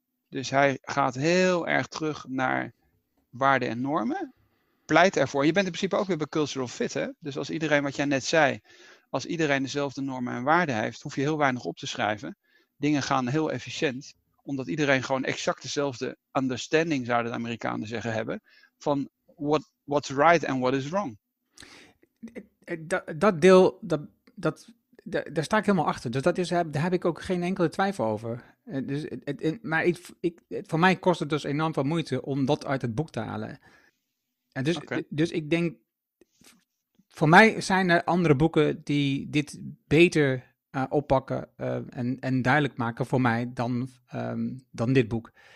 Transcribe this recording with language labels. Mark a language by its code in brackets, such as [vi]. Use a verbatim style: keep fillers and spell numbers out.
[nl] Dus hij gaat heel erg terug naar waarden en normen. Pleit ervoor. Je bent in principe ook weer bij cultural fit. Hè? Dus als iedereen, wat jij net zei, als iedereen dezelfde normen en waarden heeft, hoef je heel weinig op te schrijven. Dingen gaan heel efficiënt. Omdat iedereen gewoon exact dezelfde understanding, zouden de Amerikanen zeggen, hebben. [en] Van what What's right and what is wrong? [nl] Dat, dat deel, dat, dat, daar sta ik helemaal achter. Dus dat is, daar heb ik ook geen enkele twijfel over. Dus, maar ik, ik, voor mij kost het dus enorm veel moeite om dat uit het boek te halen. En dus, okay. dus ik denk, voor mij zijn er andere boeken die dit beter uh, oppakken uh, en, en duidelijk maken voor mij dan, um, dan dit boek.